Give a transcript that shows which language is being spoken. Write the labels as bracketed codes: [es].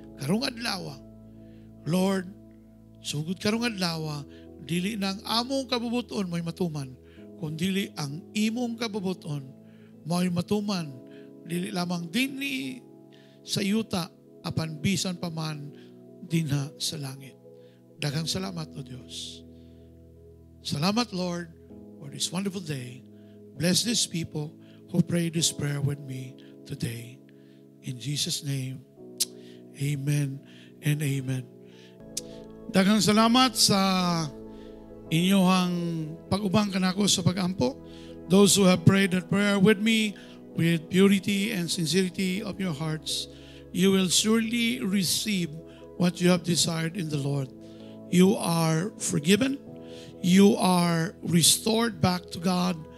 [ceb] Karong adlaw, Lord, sugod karong adlaw, dili na ang among kabubuton may matuman. Kundili ang imong kabubuton mao'y matuman, dili lamang din ni sa yuta apan bisan pa man dinha sa langit. Daghang salamat o Dios. [en] Salamat Lord for this wonderful day. Bless these people who pray this prayer with me today. In Jesus' name, amen and amen. [ceb] Daghang salamat sa inyohang pag-ubang kanako sa pag-ampo. [en] Those who have prayed that prayer with me with purity and sincerity of your hearts, you will surely receive what you have desired in the Lord. You are forgiven. You are restored back to God.